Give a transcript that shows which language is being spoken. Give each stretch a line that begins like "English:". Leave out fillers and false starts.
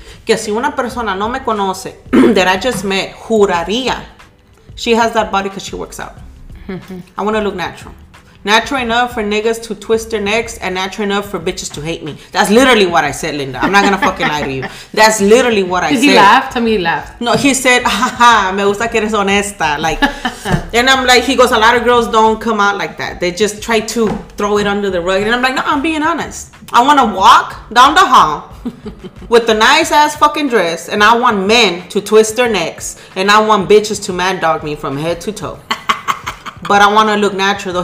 Spanish: Que si una persona no me conoce,
English: that I just met,
Spanish: juraría.
English: She has that body because she works out. I want to look natural. Natural enough for niggas to twist their necks and natural enough for bitches to hate me. That's literally what I said, Linda. I'm not going to fucking lie to you. That's literally what I said. Did he laugh? Tell me he laughed.
Spanish: No,
English: he said,
Spanish: ha, ha, me gusta que eres honesta.
English: Like, and I'm like, he goes, a lot of girls don't come out like that. They just try to throw it under the rug. And I'm like, no, I'm being honest. I want to walk down the hall with a nice ass fucking dress. And I want men to twist their necks. And I want bitches to mad dog me from head to toe. But I want to look natural, though.